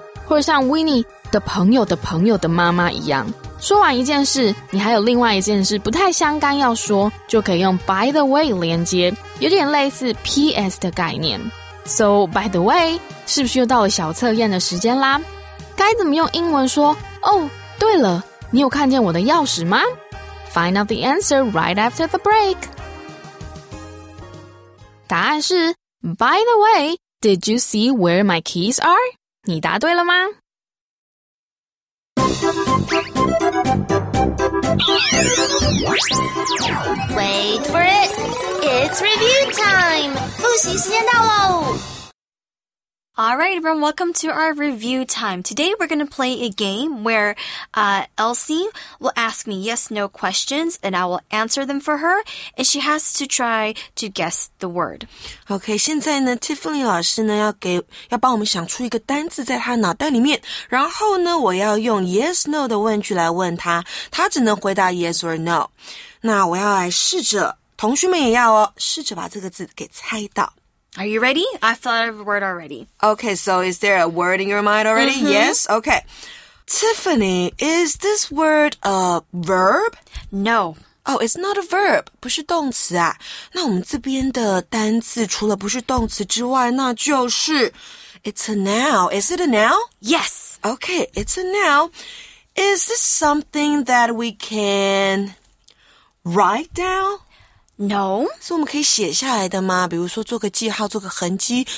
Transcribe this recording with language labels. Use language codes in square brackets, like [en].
[zh] 或者像 Winnie 的朋友的朋友的妈妈一样，说完一件事，你还有另外一件事不太相干要说，就可以用 by the way 连接，有点类似 PS 的概念。 So, by the way, 是不是又到了小测验的时间啦？该怎么用英文说？哦，对了，你有看见我的钥匙吗？ [en] Find out the answer right after the break. [zh] 答案是 [en] By the way, did you see where my keys are? [zh] 你答对了吗？ [en] Wait for it. It's review time. [zh] 复习时间到喽。 [en] Alright, everyone, welcome to our review time. Today, we're going to play a game where, Elsie will ask me yes-no questions, and I will answer them for her, and she has to try to guess the word. [zh] Okay, 现在呢 ,Tiffany 老师呢要帮我们想出一个单字在她脑袋里面，然后呢我要用 yes-no 的问句来问她，她只能回答 yes or no. 那我要来试着，同学们也要哦，试着把这个字给猜到。 [en] Are you ready? I've thought of a word already. Okay, so is there a word in your mind already? Mm-hmm. Yes? Okay. Tiffany, is this word a verb? No. Oh, it's not a verb. [zh] 不是动词啊。那我们这边的单字除了不是动词之外，那就是 [en] It's a noun. Is it a noun? Yes. Okay, it's a noun. Is this something that we can write down? No. [zh] 是我们可以写下来的吗？比如说做个记号，做个痕迹。